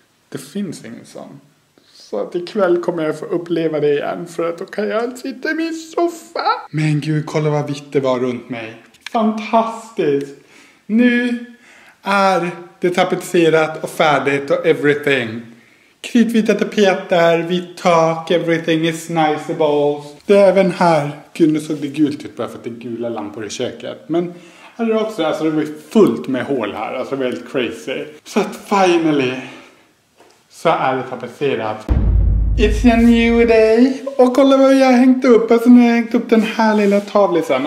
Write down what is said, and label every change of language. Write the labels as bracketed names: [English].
[Swedish] Det finns ingen sån. Så att ikväll kommer jag få uppleva det igen. För att då kan jag sitta i min soffa. Men gud, kolla vad vitt det var runt mig. Fantastiskt. Nu är det tapetserat och färdigt och everything. Kritvita tapeter, vitt tak, [English] everything is nice and balls. [Swedish] Det är även här. Gud, nu såg det gult ut bara för att det är gula lampor i köket. Men här är det också, alltså det är fullt med hål här. Alltså det är helt crazy. Så att finally så är det tapetserat. [English] It's a new day. [Swedish] Och kolla vad jag har hängt upp. Alltså nu har jag hängt upp den här lilla tavlisen.